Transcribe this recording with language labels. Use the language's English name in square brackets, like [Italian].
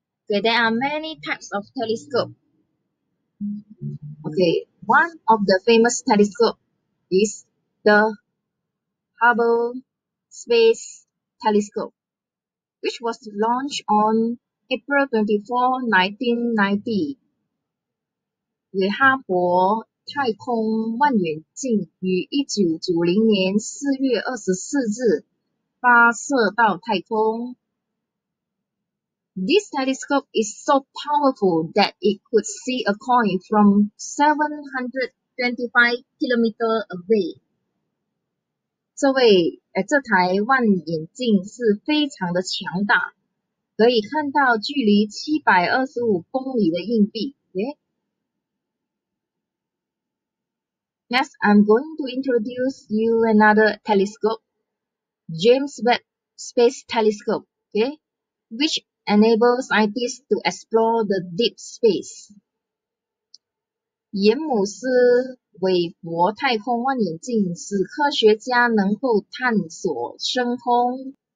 [English] Okay, there are many types of telescope. Okay, one of the famous telescope is the Hubble Space Telescope, which was launched on April 24, 1990, [Chinese] 为哈勃太空望远镜于1990年4月24日发射到太空。 [English] This telescope is so powerful that it could see a coin from 725 kilometers away. [Chinese] 这台望远镜是非常的强大，可以看到距离725公里的硬币。 [English] Next, I'm going to introduce you another telescope, James Webb Space Telescope, which enables scientists to explore the deep space. [Chinese] 詹姆斯韦伯太空望远镜使科学家能够探索深空。